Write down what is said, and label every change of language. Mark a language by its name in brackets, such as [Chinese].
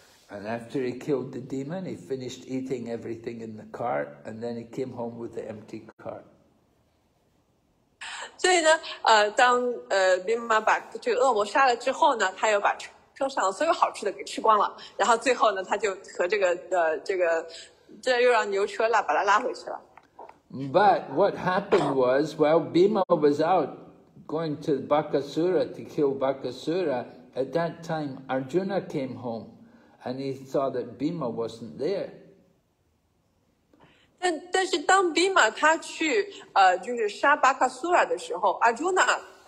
[English] And after he killed the demon, he finished eating everything in the cart, and then he came home with the empty cart. [Chinese] So, 当Bhima 把这个恶魔杀了之后呢，他又把车上所有好吃的给吃光了，然后最后呢，他就和这又让牛车把他拉回去了。 [English] But what happened was, while Bhima was out going to Bakasura to kill Bakasura, at that time Arjuna came home, and he saw that Bhima wasn't there. [Chinese] 但是当 Bhima 他去就是杀 Bakasura 的时候 ，Arjuna。